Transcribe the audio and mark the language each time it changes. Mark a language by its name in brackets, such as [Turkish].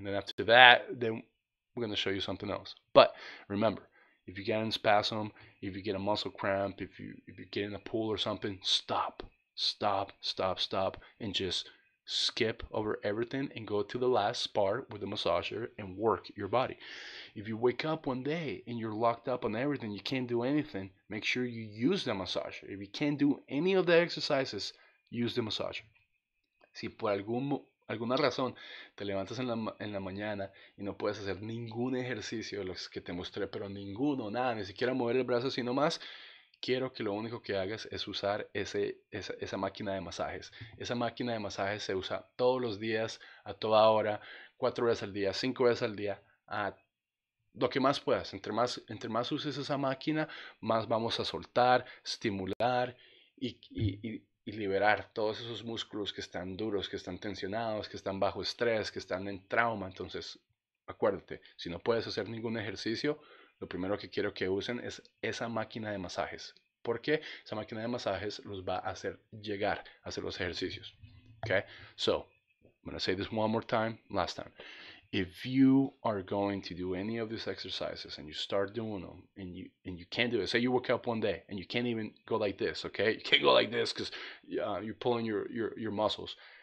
[English] And then after that, then we're going to show you something else. But remember, if you get in spasm, if you get a muscle cramp, if you get in a pool or something, stop, and just skip over everything and go to the last part with the massager and work your body. If you wake up one day and you're locked up on everything, you can't do anything, make sure you use the massager. If you can't do any of the exercises, use the massager. [Spanish] Si por alguna razón te levantas en la mañana y no puedes hacer ningún ejercicio de los que te mostré, pero ninguno, nada, ni siquiera mover el brazo, sino más, quiero que lo único que hagas es usar esa máquina de masajes. Esa máquina de masajes se usa todos los días, a toda hora, 4 veces al día, 5 veces al día, a lo que más puedas. Entre más uses esa máquina, más vamos a soltar, estimular y liberar todos esos músculos que están duros, que están tensionados, que están bajo estrés, que están en trauma. Entonces, acuérdate, si no puedes hacer ningún ejercicio, lo primero que quiero que usen es esa máquina de masajes. Porque esa máquina de masajes los va a hacer llegar a hacer los ejercicios. [English] Okay? So, I'm going to say this one more time, last time. If you are going to do any of these exercises and you start doing them and you can't do it, say you woke up one day and you can't even go like this, okay? You can't go like this because you're pulling your muscles.